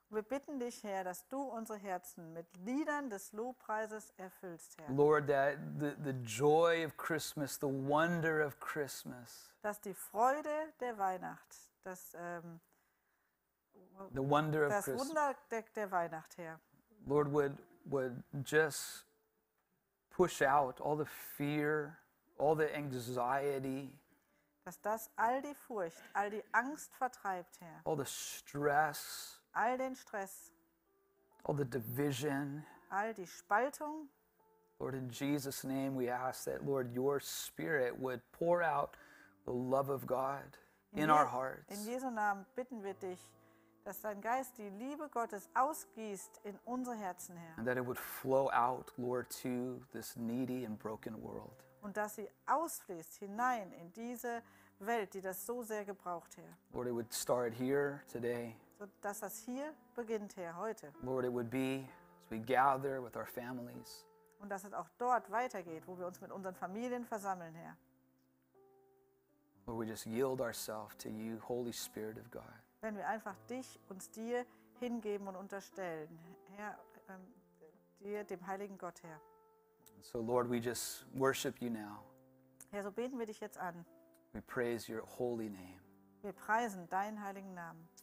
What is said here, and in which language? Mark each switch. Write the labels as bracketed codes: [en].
[de] Wir bitten dich, Herr, dass du unsere Herzen mit Liedern des Lobpreises erfüllst, Herr. [en] Lord, that the joy of Christmas, the wonder of Christmas. [de] Dass die Freude der Weihnacht, das [en] the wonder of [de] das Wunder der Weihnacht, Herr. [en] Lord, would just push out all the fear, all the anxiety. [de] Dass das all die Furcht, all die Angst vertreibt, Herr. [en] All the stress. [de] All den Stress. [en] All the division. [de] All die Spaltung. [en] Lord, in Jesus' name we ask that, Lord, your spirit would pour out the love of God in our hearts. [de] In Jesu Namen bitten wir dich, dass dein Geist die Liebe Gottes ausgießt in unsere Herzen, Herr. [en] And that it would flow out, Lord, to this needy and broken world. [de] Und dass sie ausfließt hinein in diese Welt, die das so sehr gebraucht, Herr. [en] Lord, it would start here today. [de] So dass das hier beginnt, Herr, heute. [en] Lord, it would be as we gather with our families. [de] Und dass es auch dort weitergeht, wo wir uns mit unseren Familien versammeln, Herr. [en] Lord, we just yield ourselves to you, Holy Spirit of God. [de] Wenn wir einfach dich uns dir hingeben und unterstellen, Herr, dir, dem Heiligen Gott, Herr. [en] So Lord, we just worship you now. [de] Herr, so beten wir dich jetzt an. [en] We praise your holy name. [de] Wir preisen deinen heiligen Namen.